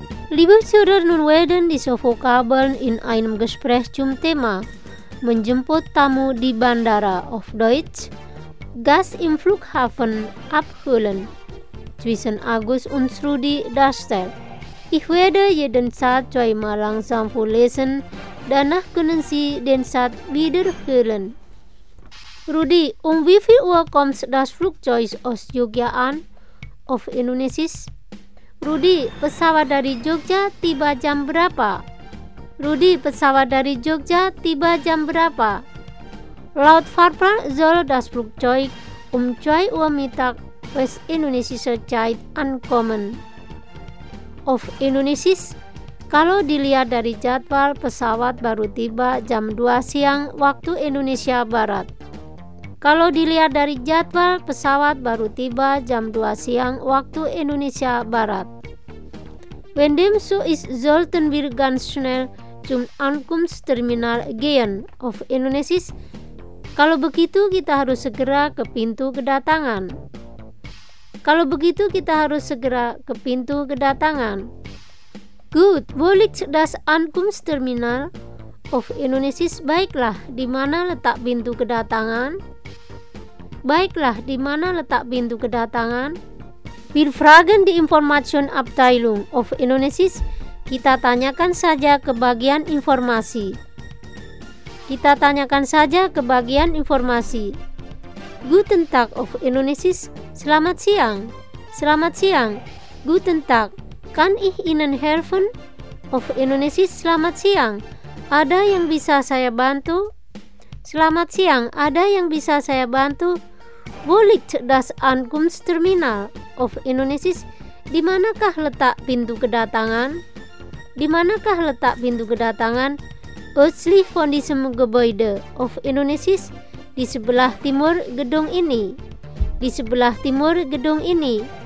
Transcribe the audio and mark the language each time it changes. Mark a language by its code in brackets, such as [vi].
[de] Liebe Zuhörer, nun werden diese Vokabeln in einem Gespräch zum Thema [id] Menjemput Tamu di Bandara [de] auf Deutsch Gast im Flughafen abholen zwischen August und Rudi Dastel. Ich werde jeden Satz zweimal langsam vorlesen, danach können Sie den Satz wiederholen. Rudi, wie viel Uhr kommt das Flugzeug aus Jogja an? Auf Indonesisch? [id] Rudi, pesawat dari Jogja tiba jam berapa? Rudi, pesawat dari Jogja tiba jam berapa? [de] Laut Farfar soll das Flugzeug 2 Uhr Mittag was indonesische Zeit ankommen. Auf Indonesisch, [id] kalau dilihat dari jadwal pesawat baru tiba jam 2 siang waktu Indonesia Barat. Kalau dilihat dari jadwal pesawat baru tiba jam 2 siang waktu Indonesia Barat. [de] Wenn dem so ist, sollten wir ganz schnell zum Ankunftsterminal gehen. Auf Indonesisch, [id] kalau begitu kita harus segera ke pintu kedatangan. Kalau begitu kita harus segera ke pintu kedatangan. [de] Gut, wo liegt das Ankunftsterminal? Auf Indonesisch, [id] baiklah, di mana letak pintu kedatangan? Baiklah, di mana letak pintu kedatangan? [de] Wir fragen die Informationabteilung. Auf Indonesisch, [id] kita tanyakan saja ke bagian informasi. Kita tanyakan saja ke bagian informasi. [de] Guten Tag, auf Indonesisch. [id] Selamat siang. Selamat siang. [de] Guten Tag. Kann ich Ihnen helfen? Auf Indonesisch, [id] selamat siang. Ada yang bisa saya bantu? Selamat siang. Ada yang bisa saya bantu? [de] Wo liegt das Ankunftsterminal? Auf Indonesisch, [id] di manakah letak pintu kedatangan? Di manakah letak pintu kedatangan? [de] Östlich von diesem Gebäude. Auf Indonesisch, [id] di sebelah timur gedung ini. Di sebelah timur gedung ini.